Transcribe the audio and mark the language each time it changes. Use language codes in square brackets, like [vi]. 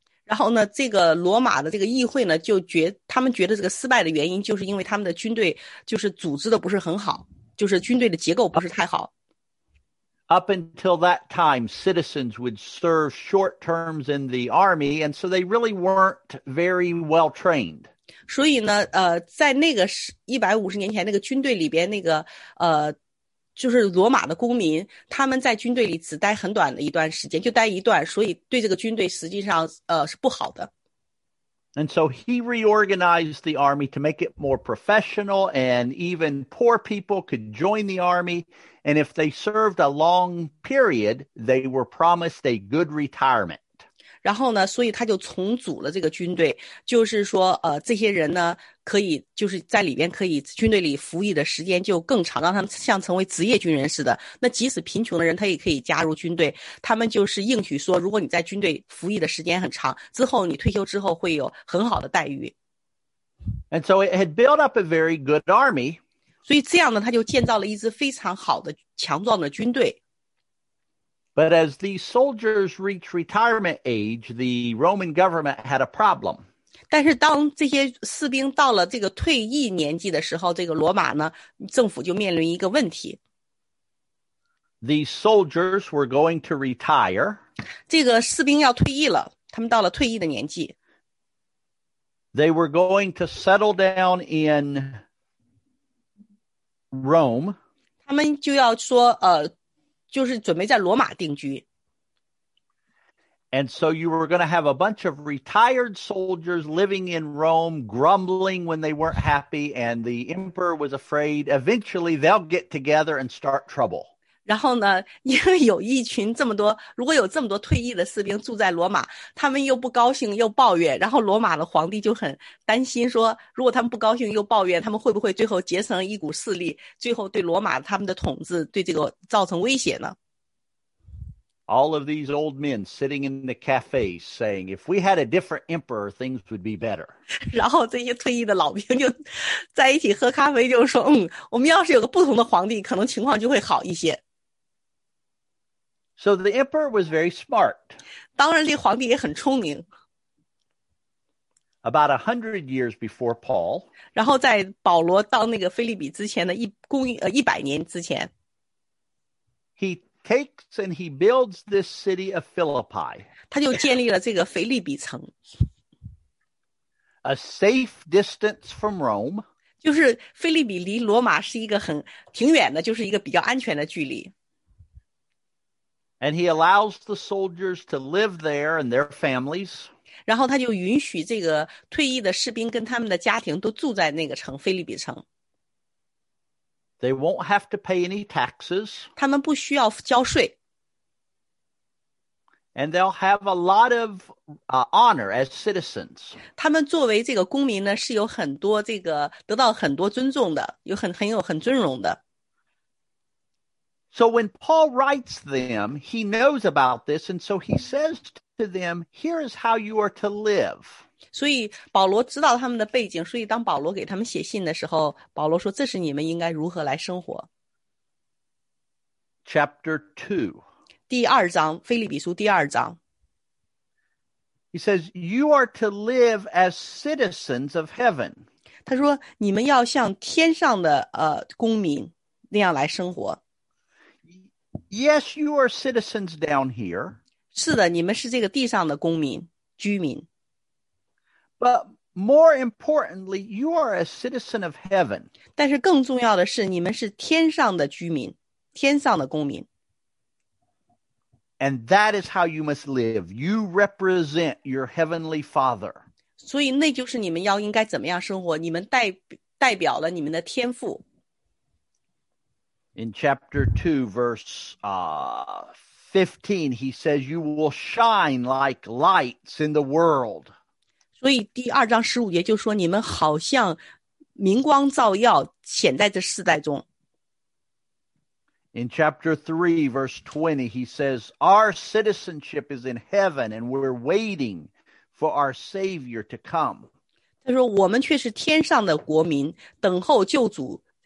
[zh] 然后呢，这个罗马的这个议会呢，他们觉得这个失败的原因，就是因为他们的军队就是组织的不是很好，就是军队的结构不是太好。 [en] Up until that time, citizens would serve short terms in the army, and so they really weren't very well trained. [zh] 所以呢，在那个150年前，那个军队里边，那个就是罗马的公民，他们在军队里只待很短的一段时间，就待一段，所以对这个军队实际上是不好的。 [en] And so he reorganized the army to make it more professional, and even poor people could join the army, and if they served a long period, they were promised a good retirement. [zh] 然后呢，所以他就重组了这个军队，就是说这些人呢可以就是在里边可以军队里服役的时间就更长，让他们像成为职业军人似的。那即使贫穷的人他也可以加入军队，他们就是应许说如果你在军队服役的时间很长之后，你退休之后会有很好的待遇。 [en] And so it had built up a very good army. [zh] 所以这样呢，他就建造了一支非常好的强壮的军队。 [en] But as the soldiers reach retirement age, the Roman government had a problem. [zh] 但是当这些士兵到了这个退役年纪的时候，这个罗马呢，政府就面临一个问题。 [en] These soldiers were going to retire. [zh] 这个士兵要退役了，他们到了退役的年纪。 [en] They were going to settle down in Rome. [zh] 他们就要说，就是准备在罗马定居。 [en] And so you were going to have a bunch of retired soldiers living in Rome, grumbling when they weren't happy, and the emperor was afraid eventually they'll get together and start trouble. [zh] 然后呢，因为有一群这么多，如果有这么多退役的士兵住在罗马，他们又不高兴又抱怨，然后罗马的皇帝就很担心说，如果他们不高兴又抱怨，他们会不会最后结成一股势力，最后对罗马他们的统治对这个造成威胁呢？ [en] All of these old men sitting in the cafes saying, if we had a different emperor, things would be better. [zh] 然后这些退役的老兵就在一起喝咖啡，就说，我们要是有个不同的皇帝，可能情况就会好一些。 [en] So the emperor was very smart. [zh] 当然这皇帝也很聪明。 [en] About 100 years before Paul. [zh] 然后在保罗到那个腓立比之前的100年之前。 [en] He takes and he builds this city of Philippi. [zh] 他就建立了这个腓立比城。 [en] A safe distance from Rome. [zh] 就是腓立比离罗马是一个很挺远的，就是一个比较安全的距离。 [en] And he allows the soldiers to live there and their families. [zh] 然后他就允许这个退役的士兵跟他们的家庭都住在那个城，腓立比城。 [en] They won't have to pay any taxes. [zh] 他们不需要交税。 [en] And they'll have a lot of honor as citizens. [zh] 他们作为这个公民呢，是有很多这个得到很多尊重的，有很尊荣的。 [en] So when Paul writes them, he knows about this, and so he says to them, "Here is how you are to live." [zh] 所以保罗知道他们的背景，所以当保罗给他们写信的时候，保罗说：“这是你们应该如何来生活。” [en] Chapter 2. [zh] 第二章，腓立比书第二章。 [en] He says, "You are to live as citizens of heaven." [zh] 他说：“你们要像天上的公民那样来生活。” [en] Yes, you are citizens down here. [zh] 是的，你们是这个地上的公民，居民。 [en] But more importantly, you are a citizen of heaven. [zh] 但是更重要的是，你们是天上的居民，天上的公民。 [en] And that is how you must live. You represent your heavenly Father. [zh] 所以那就是你们要应该怎么样生活，你们代表了你们的天父。 [en] In chapter 2, verse 15, he says, "You will shine like lights in the world." [zh] 所以第二章十五节就说，你们好像明光照耀，显在这世代中。 [en] In chapter 3, verse 20, he says, "Our citizenship is in heaven, and we're waiting for our Savior to come." [zh] 他说，我们却是天上的国民，等候救主。